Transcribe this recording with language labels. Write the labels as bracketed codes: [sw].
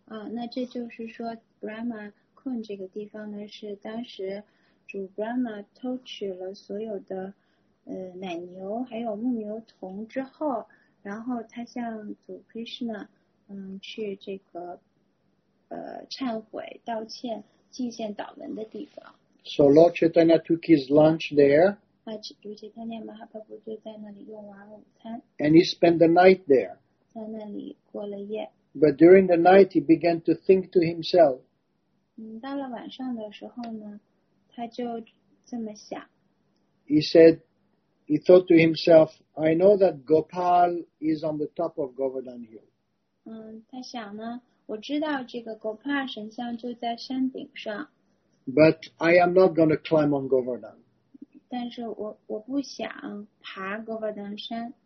[zh] 那这就是说 Brahmakund 这个地方呢，是当时主 Brahma 偷取了所有的奶牛还有牧牛童之后，然后他向主 Krishna去这个忏悔道歉觐见祷文的地方。 [en] So Lord Chaitanya took his lunch there. [zh] 主 Chaitanya Mahaprabhu 就在那里用完午餐。 [en] And he spent the night there. [zh] 在那里过了夜。 [en] But during the night he began to think to himself. [zh] 到了晚上的时候呢，他就这么想。 [en] He thought to himself, I know that Gopal is on the top of Govardhan Hill. [zh] 他想呢，我知道这个 Gopal 神像就在山顶上。 [en] But I am not going to climb on Govardhan. [zh] 但是我不想爬 Govardhan 山。